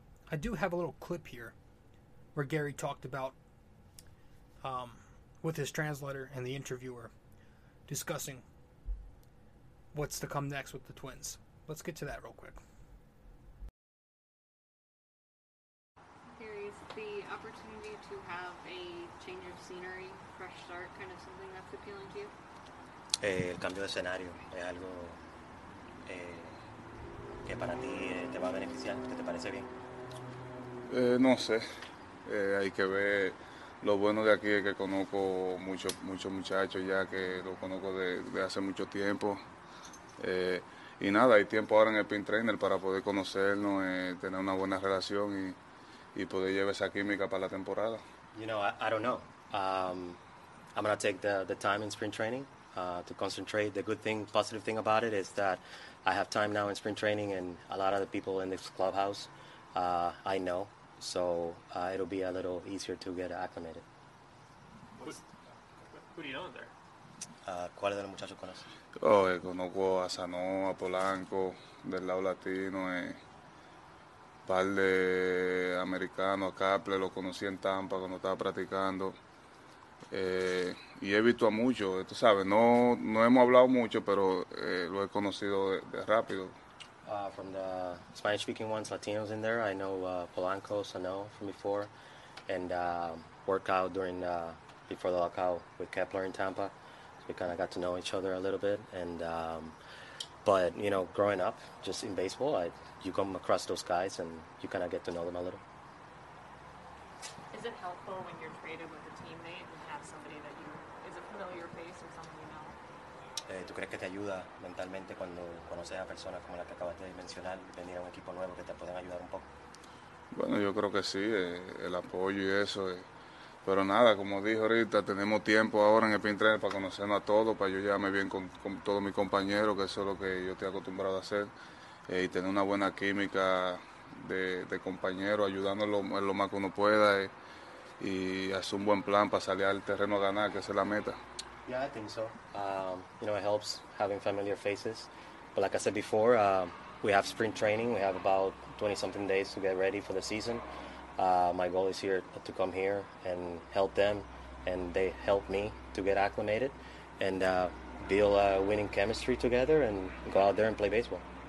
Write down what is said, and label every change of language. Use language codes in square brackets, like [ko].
[en] I do have a little clip here where Gary talked about with his translator and the interviewer discussing what's to come next with the Twins. Let's get to that real quick. Gary, is the opportunity to have a change of scenery, fresh start, kind of something that's appealing to you? [es] El cambio de escenario es algo que para ti te va a beneficiar, ¿qué te parece bien? No sé, hay que ver. Lo bueno de aquí es que conozco muchos muchachos ya, que lo conozco de hace mucho tiempo. Y nada, hay tiempo ahora en el Pin Trainer para poder conocernos, tener una buena relación y poder llevar esa química para la temporada. [en] You know, I don't know. I'm going to take the time in spring training to concentrate. The good thing, positive thing about it is that I have time now in spring training, and a lot of the people in this clubhouse I know. So it'll be a little easier to get acclimated. Who do you know in there? [es] ¿Cuál de los muchachos conoces? Conozco a Sano, a Polanco, del lado latino, un par de americanos, a Caple, lo conocí en Tampa cuando estaba practicando. Y he visto a muchos, tú sabes, no hemos hablado mucho, pero lo he conocido de rápido. [en] From the Spanish-speaking ones, Latinos in there, I know Polanco, Sano from before, and workout before the lockout with Kepler in Tampa. So we kind of got to know each other a little bit. And but, you know, growing up just in baseball, you come across those guys and you kind of get to know them a little. Is it helpful when you're traded with a teammate and have somebody that is a familiar face or something? [es] ¿Tú crees que te ayuda mentalmente cuando conoces a personas como la que acabas de mencionar, venir a un equipo nuevo que te pueden ayudar un poco? Bueno, yo creo que sí, el apoyo y eso. Pero nada, como dije ahorita, tenemos tiempo ahora en el Pin Trainer para conocernos a todos, para yo llevarme bien con todos mis compañeros, que eso es lo que yo estoy acostumbrado a hacer, y tener una buena química de compañero, ayudándolo en lo más que uno pueda, y hacer un buen plan para salir al terreno a ganar, que esa es la meta. [en] Yeah, I think so. You know, it helps having familiar faces. But like I said before, we have spring training. We have about 20-something days to get ready for the season. My goal is here to come here and help them, and they help me to get acclimated and build a winning chemistry together and go out there and play baseball.